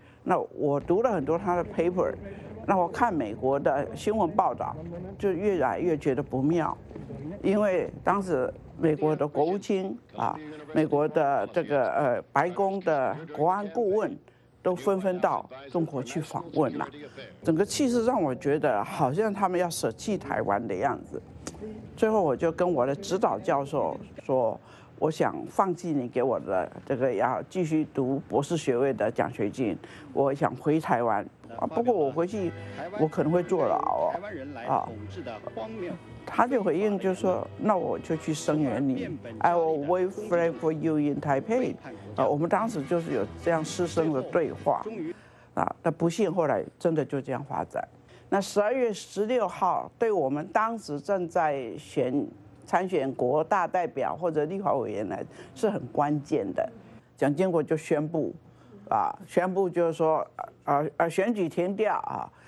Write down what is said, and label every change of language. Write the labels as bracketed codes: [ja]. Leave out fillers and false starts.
[zh] 那我读了很多他的 paper， 那我看美国的新闻报道，就越来越觉得不妙，因为当时美国的国务卿啊，美国的这个白宫的国安顾问，都纷纷到中国去访问了，整个气势让我觉得好像他们要舍弃台湾的样子。最后我就跟我的指导教授说，我想放弃你给我的这个要继续读博士学位的奖学金，我想回台湾。不过我回去，我可能会坐牢哦。啊，他就回应就说：“那我就去声援你 ， [en] I will wait flag for you in Taipei。” [zh] 啊，我们当时就是有这样师生的对话。啊，那不幸后来真的就这样发展。那12月16号，对我们当时正在选。参选国大代表或者立法委员来是很关键的，蒋经国就宣布，啊，宣布就是说，选举停掉啊。